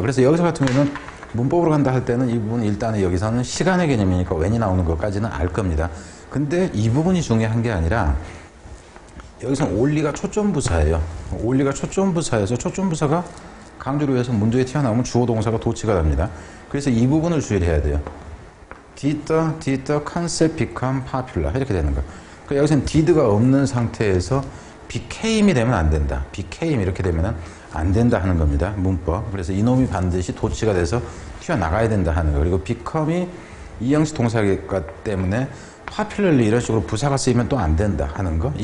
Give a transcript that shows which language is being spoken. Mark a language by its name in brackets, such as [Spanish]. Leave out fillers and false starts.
[Korean] 그래서 여기서 같은 경우는 문법으로 간다 할 때는 이 부분 일단은 여기서는 시간의 개념이니까 when이 나오는 것까지는 알 겁니다. 근데 이 부분이 중요한 게 아니라 여기서 올리가 초점 부사예요. 올리가 초점 부사에서 초점 부사가 강조를 위해서 문조에 튀어나오면 주어 동사가 도치가 됩니다. 그래서 이 부분을 주의해야 돼요. [English] Did the, did the concept become popular? [Korean] 이렇게 되는 거예요. 여기서는 did가 없는 상태에서 became이 되면 안 된다. became 이렇게 되면 안 된다 하는 겁니다. 문법. 그래서 이놈이 반드시 도치가 돼서 튀어나가야 된다 하는 거예요. 그리고 become이 이형식 동사가 때문에 popularly 이런 식으로 부사가 쓰이면 또 안 된다 하는 거.